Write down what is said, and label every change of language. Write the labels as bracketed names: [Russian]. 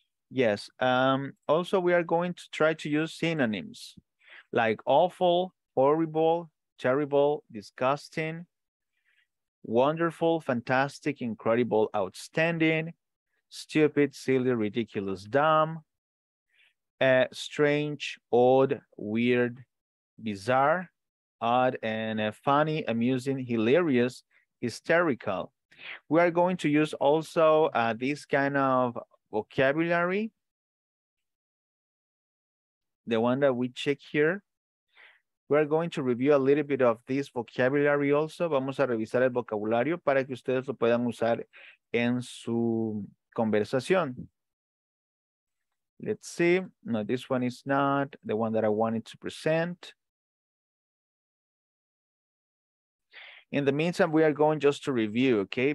[English] Yes, also we are going to try to use synonyms like awful, horrible, terrible, disgusting, wonderful, fantastic, incredible, outstanding, stupid, silly, ridiculous, dumb, strange, odd, weird, bizarre, odd, and funny, amusing, hilarious, hysterical. We are going to use also this kind of vocabulary, the one that we check here. We are going to review a little bit of this vocabulary also. [Spanish] Vamos a revisar el vocabulario para que ustedes lo puedan usar en su conversación. [English] Let's see. No, this one is not the one that I wanted to present. In the meantime, we are going just to review, okay?